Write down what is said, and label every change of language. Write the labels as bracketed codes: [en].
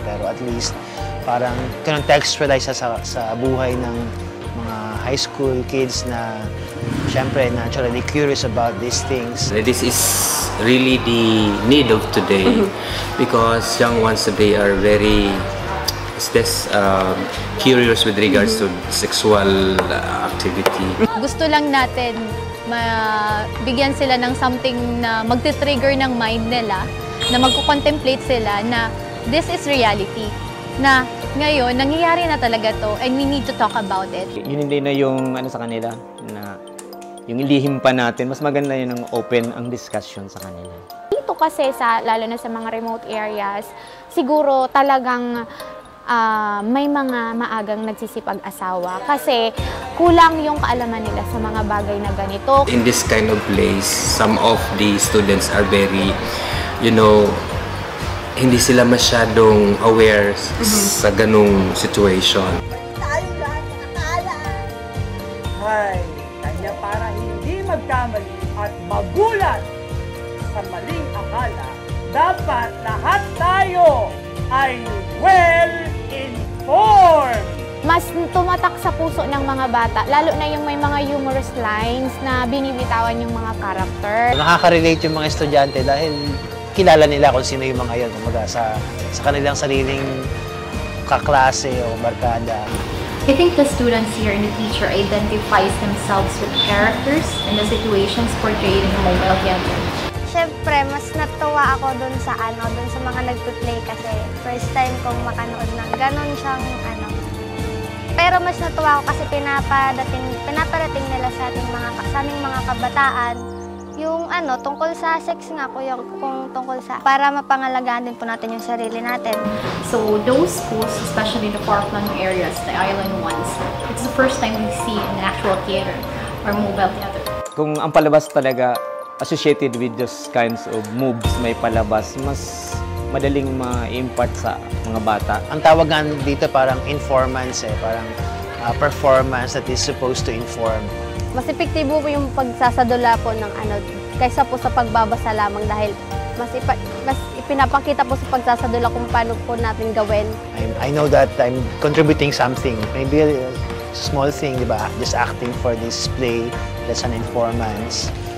[tl] Pero at least, parang contextualize sa buhay ng mga high school kids na [en] syempre, naturally curious about these things. This is really the need of today because young ones today are very curious with regards to sexual activity. [tl] Gusto lang natin mabigyan sila ng something na magte-trigger ng mind nila, na magko-contemplate sila na this is reality, na ngayon, nangyayari na talaga to and we need to talk about it. Yun din na yung ano sa kanila, na yung ilihim pa natin, mas maganda yun ang open ang discussion sa kanila. Dito kasi, sa lalo na sa mga remote areas, siguro talagang may mga maagang nagsisipag-asawa kasi kulang yung kaalaman nila sa mga bagay na ganito. [en] In this kind of place, some of the students are very, you know, hindi sila masyadong aware sa ganung situation. [tl] Tayo lang nakakala. Ay, kanya para hindi magkamali at magulat sa maling akala, dapat lahat tayo ay well informed. Mas tumatak sa puso ng mga bata, lalo na yung may mga humorous lines na binibitawan yung mga character. Nakaka-relate yung mga estudyante dahil kilala nila kung sino yung mga yun, kumbaga sa kanilang sariling kaklase o barkada. [en] I think the students here and the teacher identifies themselves with characters and the situations portrayed in the mobile theater. [tl] Siyempre, mas natuwa ako dun sa mga nagpo-play kasi first time kong makanood ng ganun siyang ano. Pero mas natuwa ako kasi pinaparating nila sa ating mga kabataan yung ano, tungkol sa sex nga, kung tungkol sa, para mapangalagaan din po natin yung sarili natin. [en] So those schools, especially the far-flung areas, the island ones, it's the first time we see an actual theater or mobile theater. [tl] Kung ang palabas talaga associated with those kinds of moves may palabas, mas madaling ma-impart sa mga bata. Ang tawag nga dito parang informance eh, parang performance that is supposed to inform. Mas epektibo po yung pagsasadula po ng ano kaysa po sa pagbabasa lamang dahil mas ipinapakita po sa pagsasadula kung paano po natin gawin. [en] I know that I'm contributing something, maybe a small thing, di ba? Just acting for this play that's an informance.